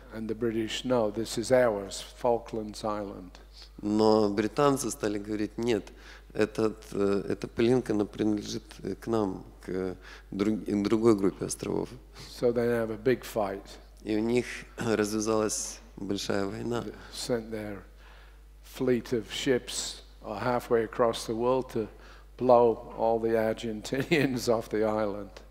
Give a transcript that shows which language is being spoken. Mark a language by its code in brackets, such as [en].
[en] And the British, no, this is ours, Falklands Island. [ru] Но британцы стали говорить, нет, эта пылинка, она принадлежит к нам, к другой группе островов. [en] So they have a big fight. [ru] И у них развязалась большая война. [en] Sent their fleet of ships halfway across the world to blow all the Argentinians off the island.